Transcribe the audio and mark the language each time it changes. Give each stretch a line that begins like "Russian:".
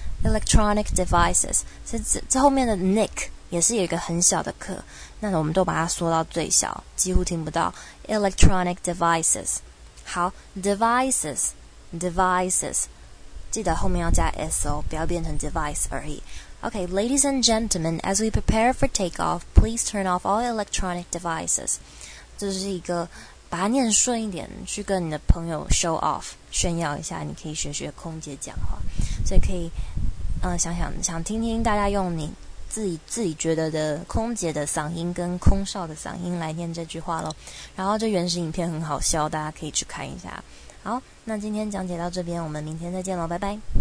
Chinese: Electronic devices， 这后面的 nick 也是有一个很小的咳。那我们都把它缩到最小，几乎听不到。Electronic devices， 好 ，devices， 记得后面要加 s 哦，不要变成 device 而已。
English: Okay, ladies and gentlemen, as we prepare for takeoff, please turn off all electronic devices.
Chinese: 这是一个把它念顺一点，去跟你的朋友 show off 炫耀一下，你可以学学空姐讲话，所以可以，想听听大家用你。自己觉得的空姐的嗓音跟空少的嗓音来念这句话咯，然后这原始影片很好笑，大家可以去看一下。好，那今天讲解到这边，我们明天再见咯，拜拜。